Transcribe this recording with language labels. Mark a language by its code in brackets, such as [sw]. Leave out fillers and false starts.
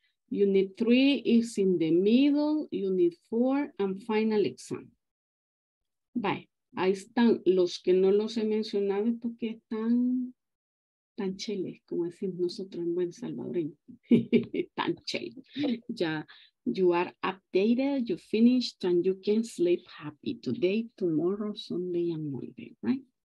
[en] Unit 3 is in the middle, Unit 4 and Final Exam. Bye. [es] Ahí están los que no los he mencionado porque están... tan cheles, como decimos nosotros en buen salvadoreño. Tan cheles. [en] Ya, you are updated, you finished, and you can sleep happy today, tomorrow, Sunday, and Monday, right?